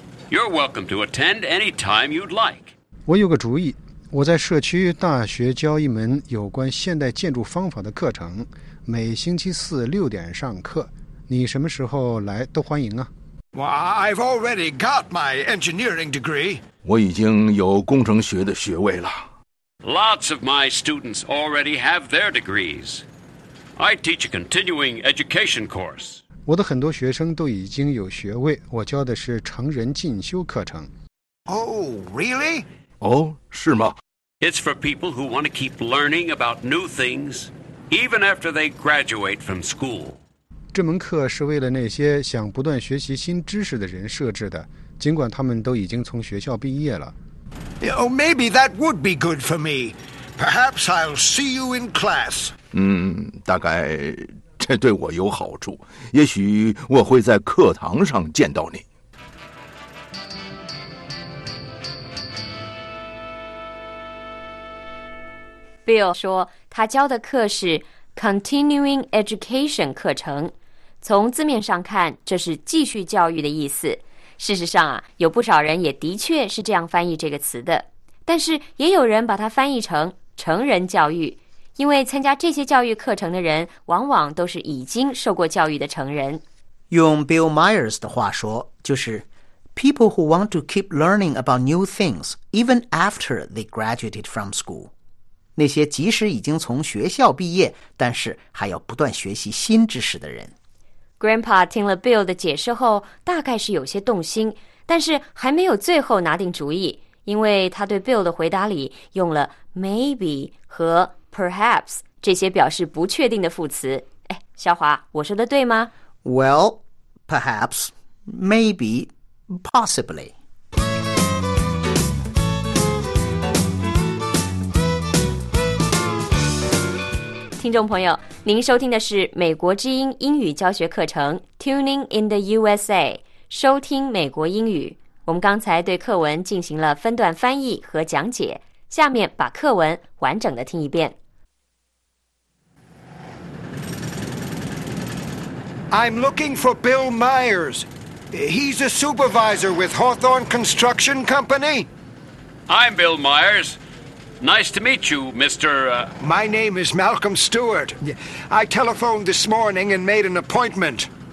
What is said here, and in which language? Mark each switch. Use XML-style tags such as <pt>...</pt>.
<en>You're welcome to attend any time you'd like.</en> <zh>我有个主意，我在社区大学教一门有关现代建筑方法的课程，每星期四6点上课。你什么时候来都欢迎啊。</zh> <en>Well, I've already got my engineering degree.</en> <zh>我已经有工程学的学位了。</zh> <en>Lots of my students already have their degrees. I teach a continuing education course.</en> <zh>我的很多学生都已经有学位，我教的是成人进修课程。</zh> <en>Oh, really?</en> <zh>哦，是吗？</zh> <en>It's for people who want to keep learning about new things, even after they graduate from school.</en> <zh>这门课是为了那些想不断学习新知识的人设置的，尽管他们都已经从学校毕业了。</zh> <en>Oh, maybe that would be good for me. Perhaps I'll see you in class.</en> <zh>大概这对我有好处。也许我会在课堂上见到你。 Bill 说，他教的课是 Continuing Education 课程。从字面上看，这是继续教育的意思。事实上啊，有不少人也的确是这样翻译这个词的，但是也有人把它翻译成成人教育，因为参加这些教育课程的人往往都是已经受过教育的成人。用 Bill Myers 的话说，就是</zh> <en>People who want to keep learning about new things even after they graduated from school，</en> <zh>那些即使已经从学校毕业但是还要不断学习新知识的人。 Grandpa 听了 Bill 的解释后大概是有些动心，但是还没有最后拿定主意，因为他对 Bill 的回答里用了 maybe 和 perhaps 这些表示不确定的副词。哎，小华，我说的对吗？</zh> <en>Well, perhaps, maybe, possibly.</en> <zh>听众朋友，您收听的是美国之音英语教学课程 Tuning in the USA， 收听美国英语。我们刚才对课文进行了分段翻译和讲解，下面把课文完整的听一遍。</zh> <en>I'm looking for Bill Myers. He's a supervisor with Hawthorne Construction Company. I'm Bill Myers. Nice to meet you, Mr. My name is Malcolm Stewart. I telephoned this morning and made an appointment.</en>